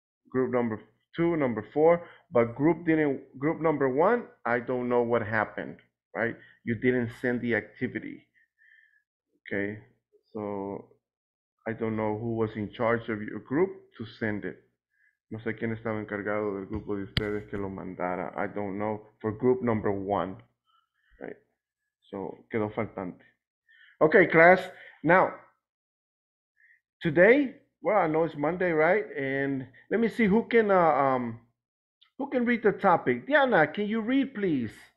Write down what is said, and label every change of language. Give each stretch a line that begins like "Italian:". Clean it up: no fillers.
English: Group number two, number four, but group number one, I don't know what happened, right? You didn't send the activity, okay? So I don't know who was in charge of your group to send it.
Spanish: No sé quién estaba encargado del grupo de ustedes que lo mandara.
English: I don't know for group number one, right? So
Spanish: quedó faltante.
English: Okay, class, now, today, well, I know it's Monday, right? And let me see who can read the topic. Diana, can you read, please?